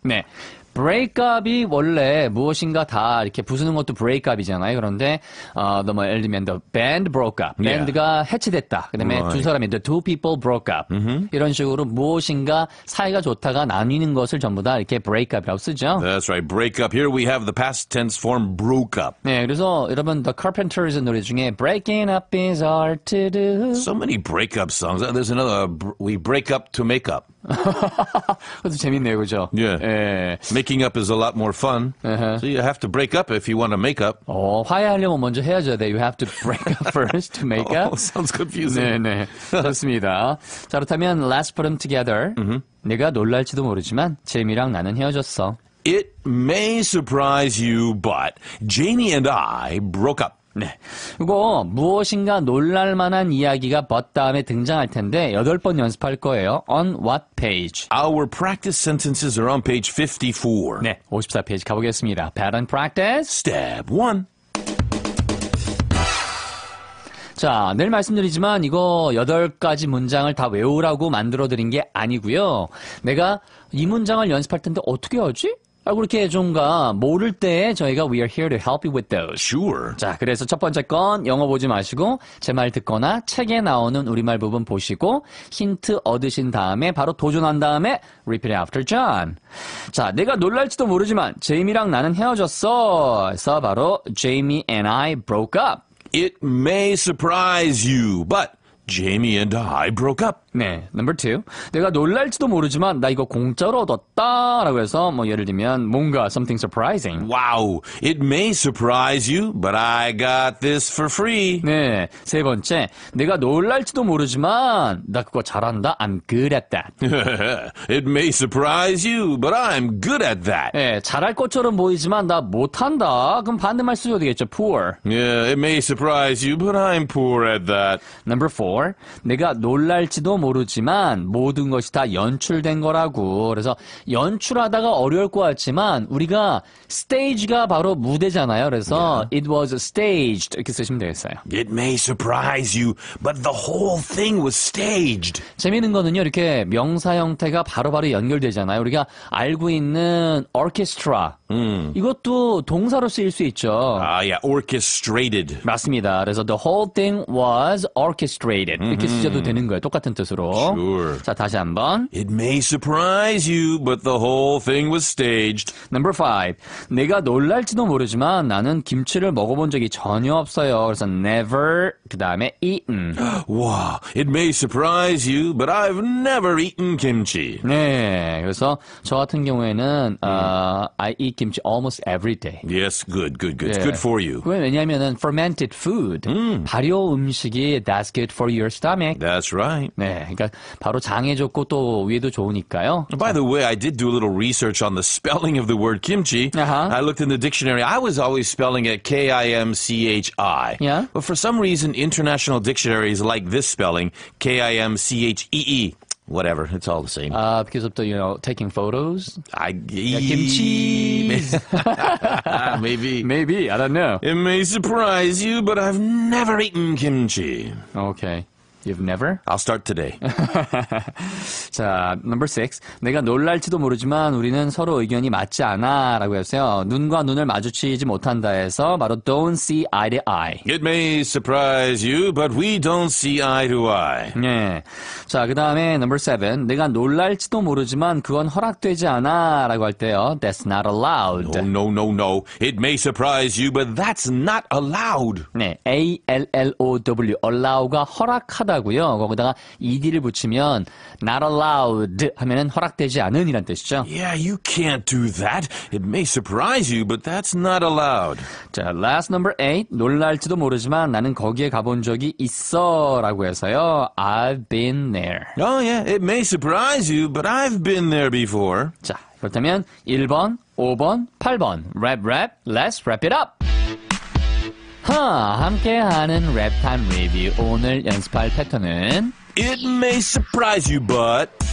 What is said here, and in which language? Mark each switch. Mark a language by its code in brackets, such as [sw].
[ko] 네. break up이 원래 무엇인가 다 이렇게 부수는 것도 break up이잖아요. 그런데 뭐 예를 들면 [en] the band broke up. [ko] 밴드가 해체됐다. 그다음에 두 [en] Right. [ko] 사람이 [en] the two people broke up. [ko] 이런 식으로 무엇인가 사이가 좋다가 나뉘는 것을 전부 다 이렇게 break up이라고 쓰죠. [en] That's right. Break up. Here we have the past tense form broke up. [ko] 네, 그래서 여러분 [en] the Carpenters [ko] 노래 중에 [en] breaking up is hard to do. So many break up songs. There's another. We break up to make up. [ko] 그것도 재밌네요, 그죠? [en] Yeah. [ko] 예. [en] Making up is a lot more fun. So you have to break up if you want to make up. [ko] 화해하려면 먼저 헤어져야 돼. [en] You have to break up first to make Oh, up. sounds [ko] 네. [en] confusing. [ko] 좋습니다. 자, 그렇다면 [en] let's put them together. [ko] 내가 놀랄지도 모르지만 제이미랑 나는 헤어졌어. [en] It may surprise you, but Jamie and I broke up. [ko] 네. 그리고 무엇인가 놀랄 만한 이야기가 but 다음에 등장할 텐데 8번 연습할 거예요. [en] On what page? Our practice sentences are on page 54. [ko] 네, 54페이지 가보겠습니다. [en] Pattern practice. Step 1. [ko] 자, 늘 말씀드리지만 이거 8가지 문장을 다 외우라고 만들어 드린 게 아니고요. 내가 이 문장을 연습할 텐데 어떻게 하지? 아, 그렇게 좀가 모를 때 저희가 [en] we are here to help you with those. Sure. [ko] 자, 그래서 첫 번째 건 영어 보지 마시고 제말 듣거나 책에 나오는 우리말 부분 보시고 힌트 얻으신 다음에 바로 도전한 다음에 [en] repeat after John. [ko] 자, 내가 놀랄지도 모르지만 제이미랑 나는 헤어졌어. 그래서 바로 [en] Jamie and I broke up. It may surprise you, but Jamie and I broke up. [ko] 네, number two. 내가 놀랄지도 모르지만 나 이거 공짜로 얻었다라고 해서 뭐 예를 들면 뭔가 [en] something surprising. Wow, it may surprise you, but I got this for free. [ko] 네, 세 번째. 내가 놀랄지도 모르지만 나 그거 잘한다. [en] I'm good at that. It may surprise you, but I'm good at that. [ko] 네, 잘할 것처럼 보이지만 나 못한다. 그럼 반대말 쓰셔도 되겠죠. [en] poor. Yeah, it may surprise you, but I'm poor at that. number four. [ko] 내가 놀랄지도 모르지만 모든 것이 다 연출된 거라고. 그래서 연출하다가 어려울 것 같지만 우리가 스테이지가 바로 무대잖아요. 그래서 [en] Yeah. it was staged [ko] 이렇게 쓰시면 되겠어요. [en] It may surprise you, but the whole thing was staged. [ko] 재밌는 거는요. 이렇게 명사 형태가 바로바로 연결되잖아요. 우리가 알고 있는 오케스트라 이것도 동사로 쓰일 수 있죠. [en] Yeah, orchestrated. [ko] 맞습니다. 그래서 [en] the whole thing was orchestrated [ko] 이렇게 쓰셔도 되는 거예요. 똑같은 뜻으로. [en] Sure. [ko] 자, 다시 한번. [en] It may surprise you, but the whole thing was staged. Number five. [ko] 내가 놀랄지도 모르지만 나는 김치를 먹어본 적이 전혀 없어요. 그래서 never, 그 다음에 eaten. [en] Wow, it may surprise you, but I've never eaten kimchi. [ko] 네, 그래서 저 같은 경우에는 [en] I eat kimchi almost every day. Yes, good, good, good. It's good [ko] 예. [en] for you. [ko] 그게 왜냐하면 [en] fermented food, [ko] 발효 음식이 [en] that's good for your stomach. That's right. [ko] 네, 그러니까 바로 장에 좋고 또 위에도 좋으니까요. [en] By [ko] 자. [en] the way, I did do a little research on the spelling of the word kimchi. I looked in the dictionary. I was always spelling it K-I-M-C-H-I. Yeah. But for some reason, international dictionaries like this spelling, K-I-M-C-H-E-E. Whatever, it's all the same. Because of the, taking photos. Yeah, Maybe. kimchi's. Maybe, I don't know. It may surprise you, but I've never eaten kimchi. Okay. You've never? I'll start today. 자, number six. [ko] 내가 놀랄지도 모르지만 우리는 서로 의견이 맞지 않아라고 했어요. 눈과 눈을 마주치지 못한다 해서 바로 don't see eye to eye. [en] It may surprise you, but we don't see eye to eye. [ko] 네. 자, 그다음에 number seven. 내가 놀랄지도 모르지만 그건 허락되지 않아라고 할 때요. [en] That's not allowed. No, no, no, no. It may surprise you, but that's not allowed. [ko] 네, allow, allow가 허락하다. 허가라고요. 거기다가 ed를 붙이면 not allowed 하면은 허락되지 않은 이란 뜻이죠. [en] Yeah, you can't do that. It may surprise you, but that's not allowed. 자, last number 8. [ko] 놀랄지도 모르지만 나는 거기에 가본 적이 있어라고 해서요. [en] I've been there. Oh yeah, it may surprise you, but I've been there before. [ko] 자, 그렇다면 1번, 5번, 8번. [en] Rap, rap, let's wrap it up. [ko] 하, 함께하는 랩탐 리뷰. 오늘 연습할 패턴은 [en] It may surprise you, but